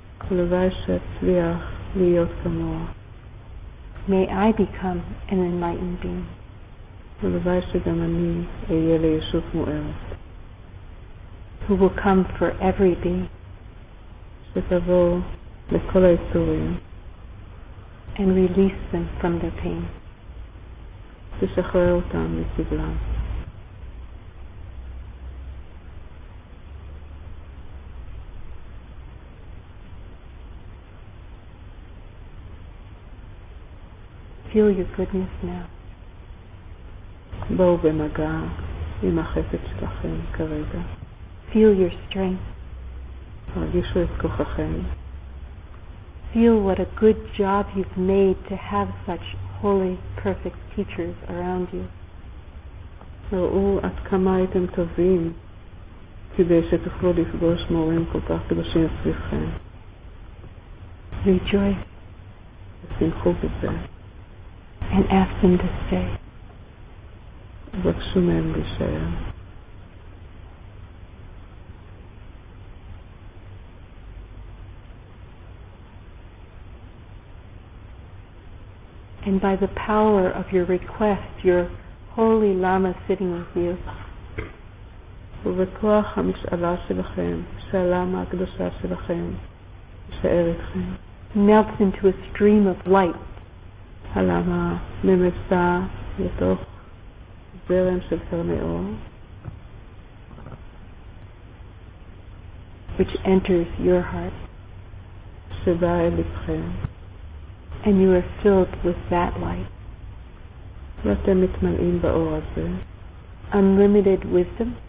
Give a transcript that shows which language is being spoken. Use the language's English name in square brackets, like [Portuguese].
[Hebrew] ולוואי שאצליח להיות כמוה. [English] May I become an enlightened being. [Hebrew] ולוואי שגם אני אהיה לישות מוארת. [English] Who will come for every being. [Hebrew] שתבוא לכל היצורים. [English] And release them from their pain. [Hebrew] ושחרר אותם מסבלם. [English] Feel your goodness now. [Hebrew] בואו במגע עם החפץ שלכם כרגע. [English] Feel your strength. [Hebrew] תרגישו את כוחכם. [English] Feel what a good job you've made to have such holy, perfect teachers around you. [Hebrew] ראו עד כמה הייתם טובים כדי שתוכלו לפגוש מורים כל כך קדושים סביבכם. [English] Rejoice. [Hebrew] שמחו בזה. [English] And ask them to stay. [Hebrew] בקשו מהם להישאר. [English] And by the power of your request, your holy lama sitting with you. [Hebrew] ובכוח המשאלה שלכם, שהלמה הקדושה שלכם, יישאר אתכם. [English] Melts into a stream of light. [Hebrew] הלמה ממסה לתוך זרם של קרני אור. [English] Which enters your heart. [Hebrew] שבא אל לבכם. [English] And you are filled with that light. [Hebrew] ואתם מתמלאים באור הזה. [English] Unlimited wisdom.